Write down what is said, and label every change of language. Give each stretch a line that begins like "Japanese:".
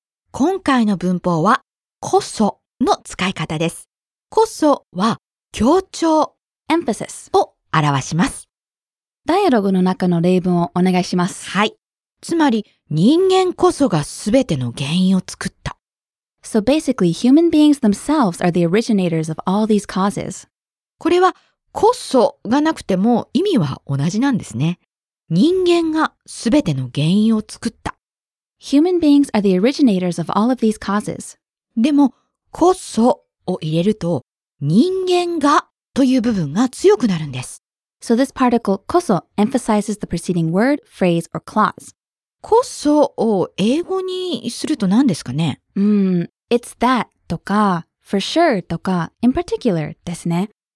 Japanese: 今回の文法はこその使い方です。こそは強調
English: Emphasis
Japanese: を表します。ダイアログの中の例文をお願いします。はい。つまり人間こそが全ての原因を作った。
English: So basically human beings themselves are the originators of all these causes.
Japanese: これはこそがなくても意味は同じなんですね。人間が全ての原因を作った。
English: Human beings are the originators of all of these causes.
Japanese: でもこそを入れると人間がという部分が強くなるんです。
English: So this particle こそ emphasizes the preceding word, phrase or clause.
Japanese: こそを英語にすると何ですかね。
English: It's that とか for sure とか in particular
Japanese: ですね。